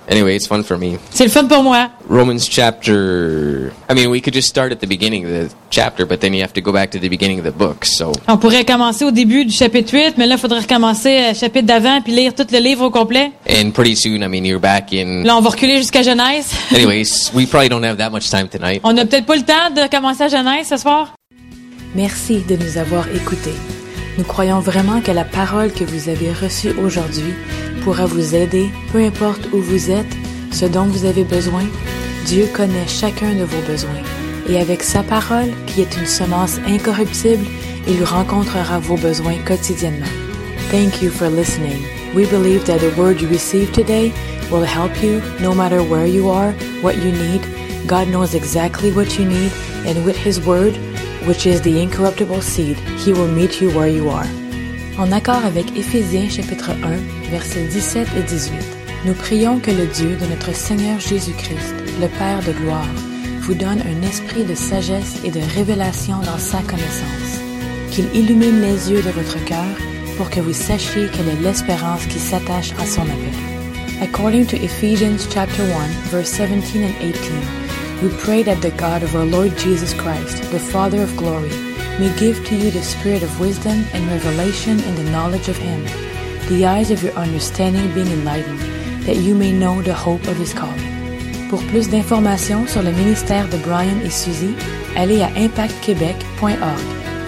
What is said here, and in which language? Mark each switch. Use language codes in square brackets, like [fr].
[en] Anyway, it's fun for me. [fr] C'est le fun pour moi. [en] Romans chapter. I mean, we could just start at the beginning of the chapter, but then you have to go back to the beginning of the book. So. [fr] On pourrait commencer au début du chapitre 8, mais là, il faudrait recommencer au chapitre d'avant puis lire tout le livre au complet. [en] And pretty soon, I mean, you're back in. [fr] Là, on va reculer jusqu'à Genèse. [en] Anyways, we probably don't have that much time tonight. [fr] On a peut-être pas le temps de commencer à Genèse ce soir. Merci de nous avoir écoutés. Nous croyons vraiment que la parole que vous avez reçue aujourd'hui pourra vous aider, peu importe où vous êtes, ce dont vous avez besoin. Dieu connaît chacun de vos besoins. Et avec sa parole, qui est une semence incorruptible, il rencontrera vos besoins quotidiennement. [en] Thank you for listening. We believe that the word you received today will help you, no matter where you are, what you need. God knows exactly what you need, and with His word, which is the incorruptible seed, He will meet you where you are. [fr] En accord avec Éphésiens chapitre 1, versets 17 et 18, nous prions que le Dieu de notre Seigneur Jésus-Christ, le Père de gloire, vous donne un esprit de sagesse et de révélation dans sa connaissance, qu'il illumine les yeux de votre cœur pour que vous sachiez quelle est l'espérance qui s'attache à son appel. [en] According to Ephesians chapter 1, verse 17 and 18, we pray that the God of our Lord Jesus Christ, the Father of glory, may give to you the spirit of wisdom and revelation in the knowledge of Him, the eyes of your understanding being enlightened, that you may know the hope of His calling. [fr] Pour plus d'informations sur le ministère de Brian et Suzy, allez à impactquebec.org.